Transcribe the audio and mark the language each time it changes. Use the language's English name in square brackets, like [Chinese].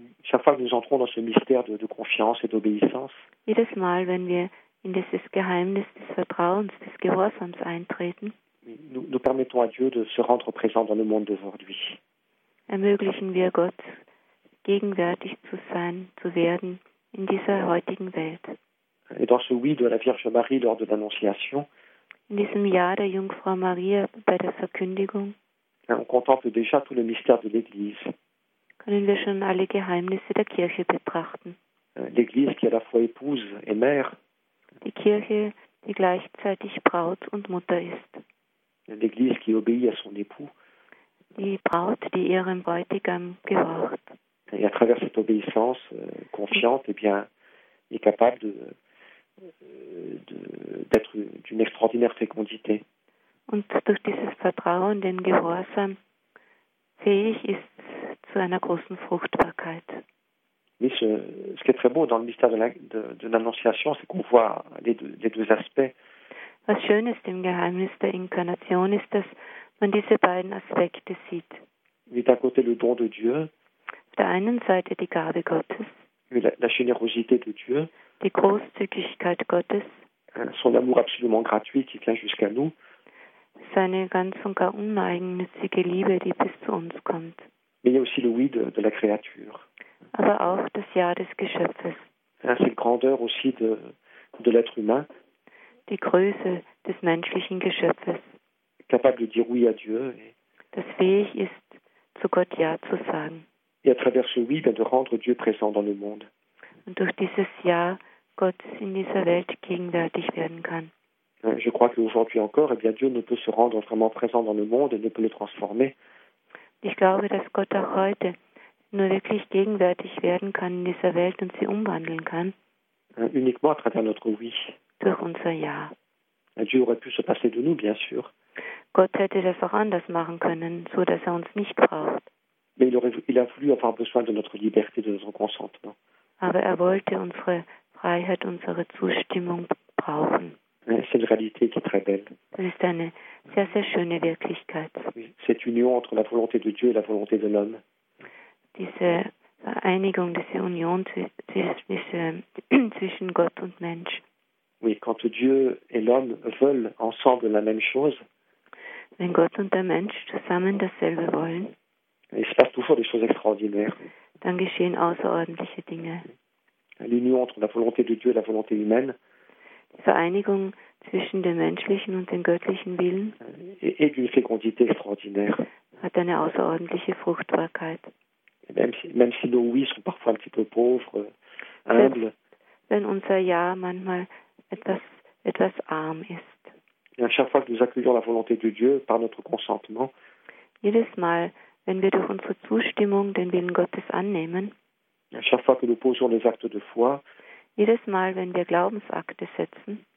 [French] Chaque fois que nous entrons dans ce mystère de confiance et d'obéissance. [German] Jedes Mal, wenn wir in dieses Geheimnis des Vertrauens, des Gehorsams eintreten. [French] Nous permettons à Dieu de se rendre présent dans le monde d'aujourd'hui. [German] Ermöglichen wir Gott, gegenwärtig zu sein, zu werden in dieser heutigen Welt. [French] Et dans ce oui de la Vierge Marie lors de l'Annonciation. [German] In diesem Ja der Jungfrau Maria bei der Verkündigung. [French] On contemple déjà tout le mystère de l'Église. [German] Können wir schon alle Geheimnisse der Kirche betrachten. [French] L'Église qui est à la fois épouse et mère. [German] Die Kirche, die gleichzeitig Braut und Mutter ist. [French] L'Église qui obéit à son époux. [German] Die Braut, die ihrem Bräutigam gehorcht. [French] Et à travers cette obéissance confiante, eh bien, est capable d'être d'une extraordinaire fécondité. [German] Und durch dieses Vertrauen, den Gehorsam, fähig ist zu einer großen Fruchtbarkeit. [French] Mais ce qui est très beau dans le mystère de l'Annonciation, c'est qu'on voit les deux aspects. [German] Was schön ist im Geheimnis der Inkarnation, ist, dass man diese beiden Aspekte sieht. [French] Mit d'un côté le don de Dieu. [German] Auf der einen Seite die Gabe Gottes. [French] La générosité de Dieu. [German] Die Großzügigkeit Gottes. [French] Son amour absolument gratuit qui vient jusqu'à nous. [German] Seine ganz und gar uneigennützige Liebe, die bis zu uns kommt. [French] Mais il y a aussi le oui de la créature. [German] Aber auch das Ja des Geschöpfes. [French] C'est la grandeur aussi de l'être humain. [German] Die Größe des menschlichen Geschöpfes. [French] Capable de dire oui à Dieu. Et [German] das fähig ist, zu Gott Ja zu sagen. [French] Et à travers ce oui, de rendre Dieu présent dans le monde. [German] Und durch dieses Ja Gott in dieser Welt gegenwärtig werden kann. [French] Je crois qu'aujourd'hui encore, eh bien, Dieu ne peut se rendre vraiment présent dans le monde et ne peut le transformer. [German] Ich glaube, dass Gott auch heute nur wirklich gegenwärtig werden kann in dieser Welt und sie umwandeln kann. [French] Uniquement à travers notre oui. [German] Durch unser Ja. [French] Dieu aurait pu se passer de nous, bien sûr. [German] Gott hätte das auch anders machen können, so dass er uns nicht braucht. [French] Mais il a voulu avoir besoin de notre liberté, de notre consentement. [German] Aber er wollte unsere Freiheit, unsere Zustimmung brauchen. [French] C'est une réalité qui est très belle. C'est une [German] sehr, sehr schöne Wirklichkeit. [French] Cette union entre la volonté de Dieu et la volonté de l'homme. [German] Diese Vereinigung, diese Union zwischen Gott und Mensch. [French] Oui, quand Dieu et l'homme veulent ensemble la même chose. [German] Wenn Gott und der Mensch zusammen dasselbe wollen. [French] Il se passe toujours des choses extraordinaires. [German] Dann geschehen außerordentliche Dinge. [French] L'union entre la volonté de Dieu et la volonté humaine. [German] Die Vereinigung zwischen dem menschlichen und dem göttlichen Willen [French] et d'une fécondité extraordinaire. [German] Hat eine außerordentliche Fruchtbarkeit. [French] Même si nos oui sont parfois un petit peu pauvres, humbles. [German] Wenn unser Ja manchmal etwas arm ist. [French] À chaque fois que nous accueillons la volonté de Dieu par notre consentement. [German] Jedes Mal, wenn wir durch unsere Zustimmung den Willen Gottes annehmen. [French] À chaque fois que nous posons les actes de foi. [German] Jedes Mal, wenn wir Glaubensakte setzen,